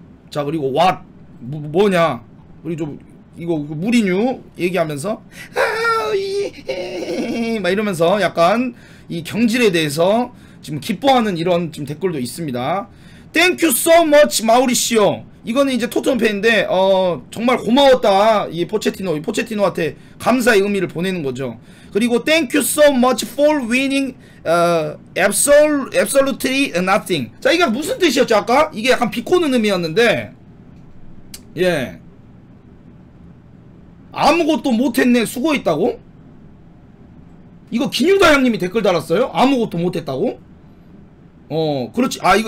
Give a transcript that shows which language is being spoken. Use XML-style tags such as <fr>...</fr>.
<ko>자, 그리고 왓 뭐냐 우리 좀 이거 무리뉴 얘기하면서 아이 막 이러면서 약간 이 경질에 대해서 지금 기뻐하는 이런 지금 댓글도 있습니다.</ko> <en>Thank you so much 마우리시오.</en> <ko>이거는 이제 토트넘 팬인데 정말 고마웠다 이 포체티노한테 감사의 의미를 보내는 거죠. 그리고</ko> <en>Thank you so much for winning absolutely nothing.</en> <ko>자, 이게 무슨 뜻이었죠 아까? 이게 약간 비꼬는 의미였는데 예 아무것도 못했네 수고했다고? 이거 기뉴다 형님이 댓글 달았어요? 아무것도 못했다고? 어, 그렇지.</ko>